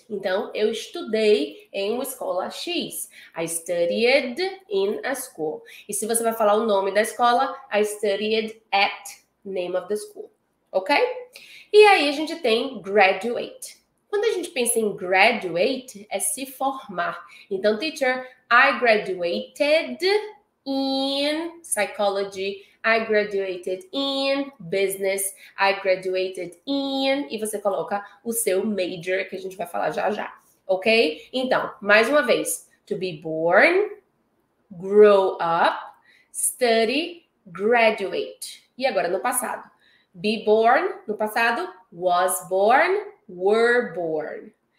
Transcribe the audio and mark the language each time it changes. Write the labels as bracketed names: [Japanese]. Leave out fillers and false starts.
[Portuguese] Então, eu estudei em uma escola X. [English] I studied in a school. [Portuguese] E se você vai falar o nome da escola, [English] I studied at name of the school. [Portuguese] Ok? E aí a gente tem graduate. Quando a gente pensa em graduate, é se formar. [English] Então, teacher, I graduated in psychology, I graduated in business, I graduated in. [Portuguese] E você coloca o seu major, que a gente vai falar já já. Ok? [English] Então, [Portuguese] mais uma vez: [English] to be born, grow up, study, graduate. [Portuguese] E agora no passado. [English] Be born, [Portuguese] no passado, [English] was born, were born.